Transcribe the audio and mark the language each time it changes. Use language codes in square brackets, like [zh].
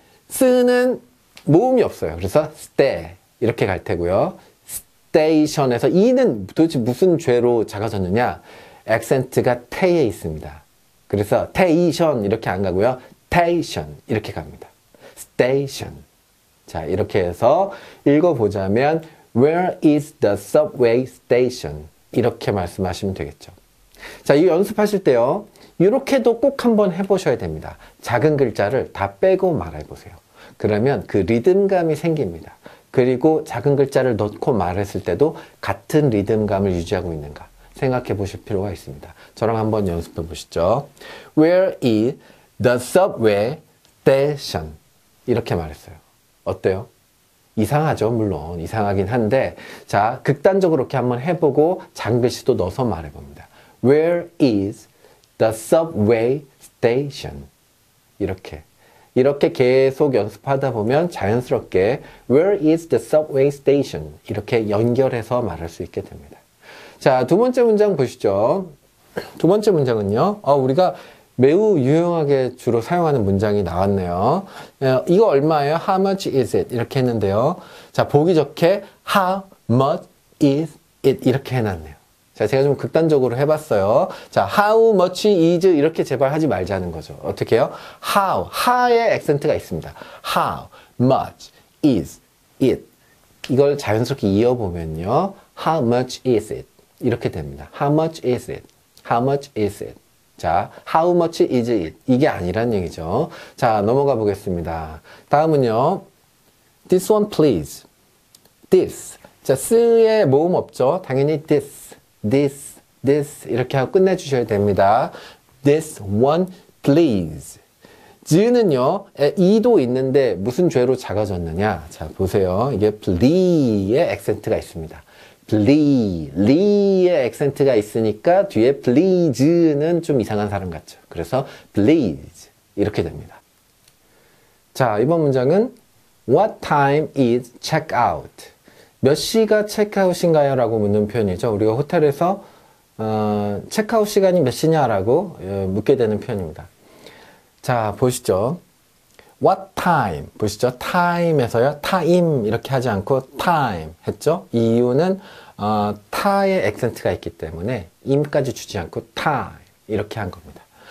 [ko] 쓰는 모음이 없어요. 그래서 stay 이렇게 갈 테고요. station에서 이는 도대체 무슨 죄로 작아졌느냐? 액센트가 태에 있습니다. 그래서 station 이렇게 안 가고요. station 이렇게 갑니다. station. 자, 이렇게 해서 읽어보자면 [en] where is the subway station? [ko] 이렇게 말씀하시면 되겠죠. 자, 이 연습하실 때요. 이렇게도 꼭 한번 해보셔야 됩니다. 작은 글자를 다 빼고 말해보세요. 그러면 그 리듬감이 생깁니다. 그리고 작은 글자를 넣고 말했을 때도 같은 리듬감을 유지하고 있는가 생각해 보실 필요가 있습니다. 저랑 한번 연습해 보시죠. [en] Where is the subway station? [ko] 이렇게 말했어요. 어때요? 이상하죠? 물론 이상하긴 한데 자, 극단적으로 이렇게 한번 해보고 작은 글씨도 넣어서 말해 봅니다. [en] Where is the subway station? [ko] 이렇게 이렇게 계속 연습하다 보면 자연스럽게 [en] Where is the subway station? [ko] 이렇게 연결해서 말할 수 있게 됩니다. 자, 두 번째 문장 보시죠. 두 번째 문장은요. 우리가 매우 유용하게 주로 사용하는 문장이 나왔네요. 이거 얼마예요? [en] How much is it? [ko] 이렇게 했는데요. 자, 보기 좋게 [en] How much is it? [ko] 이렇게 해놨네요. 자, 제가 좀 극단적으로 해봤어요. 자, [en] how much is [ko] 이렇게 제발 하지 말자는 거죠. 어떻게 해요? How, 하의 액센트가 있습니다. [en] How much is it? [ko] 이걸 자연스럽게 이어보면요. [en] How much is it? [ko] 이렇게 됩니다. [en] How much is it? How much is it? [ko] 자, [en] how much is it? [ko] 이게 아니란 얘기죠. 자, 넘어가 보겠습니다. 다음은요. [en] This one please. [ko] This. 자, 쓰의 모음 없죠? 당연히 this. this 이렇게 하고 끝내주셔야 됩니다. [en] this one please. [ko] 지는요, 이도 있는데 무슨 죄로 작아졌느냐? 자, 보세요. 이게 플리의 액센트가 있습니다. 플리, 리의 액센트가 있으니까 뒤에 플리즈는 좀 이상한 사람 같죠. 그래서 플리즈 이렇게 됩니다. 자, 이번 문장은 [en] What time is check out? [ko] 몇 시가 체크아웃인가요? 라고 묻는 표현이죠. 우리가 호텔에서 체크아웃 시간이 몇 시냐? 라고 묻게 되는 표현입니다. 자, 보시죠. What time? 보시죠. time에서요. time 이렇게 하지 않고 time 했죠. 이유는 ta의 액센트가 있기 때문에 im까지 주지 않고 time 이렇게 한 겁니다.